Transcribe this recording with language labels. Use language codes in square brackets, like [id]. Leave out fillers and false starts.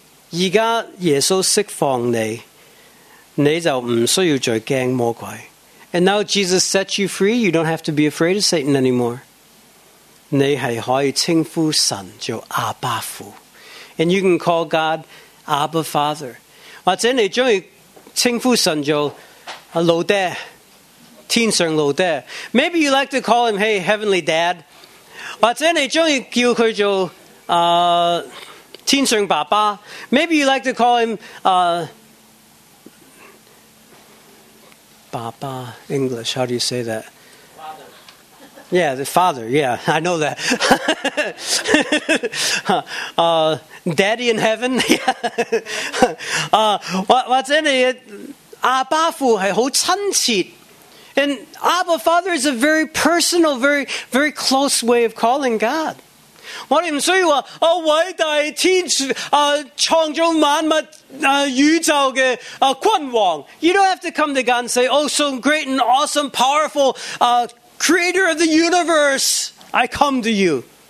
[zh] 现在耶稣释放你,你就不需要再怕魔鬼。 [en] And now Jesus sets you free, you don't have to be afraid of Satan anymore. [zh] 你是可以称呼神,叫阿爸父。 [en] And you can call God, Abba Father. [zh] 或者你喜欢称呼神,叫老爹,天上老爹。 [en] Maybe you like to call him, hey, heavenly dad. [zh] 或者你喜欢叫他, 天上爸爸, [en] maybe you like to call him Baba English, how do you say that? Father. Yeah, the father, yeah, I know that. Daddy in heaven. What's in it? Abafu hai ho chanchit. And Abba Father is a very personal, very, very close way of calling God. [zh] 我们不需要说,伟大创造万物宇宙的君王。 [en] You don't have to come to God and say, oh, so great and awesome, powerful, creator of the universe, I come to you.